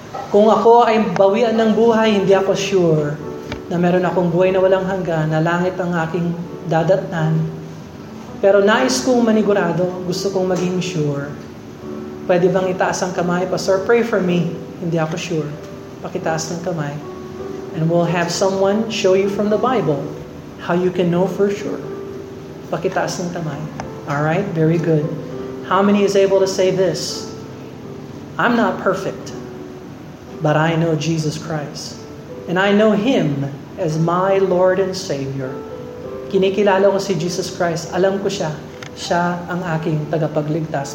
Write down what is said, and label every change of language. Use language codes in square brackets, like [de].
[tl] Kung ako ay bawian ng buhay, hindi ako sure na meron akong buhay na walang hanggan, na langit ang aking dadatnan. Pero nais kong manigurado, gusto kong maging sure. Pwede bang itaas ang kamay? Pastor, [en] pray for me. [tl] Hindi ako sure. Pakitaas ng kamay. [en] And we'll have someone show you from the Bible how you can know for sure. [tl] Pakitaas ng kamay. [en] Alright, very good. How many is able to say this? I'm not perfect, but I know Jesus Christ. And I know Him as my Lord and Savior. [tl] Kinikilala ko si Jesus Christ. Alam ko siya. Siya ang aking tagapagligtas.